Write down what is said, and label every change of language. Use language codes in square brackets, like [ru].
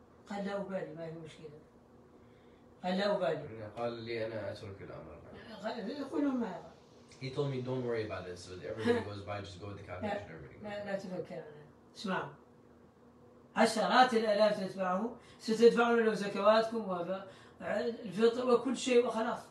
[ar] قال لا أبالي ما هي مشكلة قال لا أبالي قال لي أنا أترك الأمر قلوا ما هذا [en] he told me don't worry about this so everything goes by just go with the calculation [ar] لا تفكر أنا اسمع عشرات الألاف تتبعه ستدفعون له زكواتكم الفطر وكل شيء وخلاص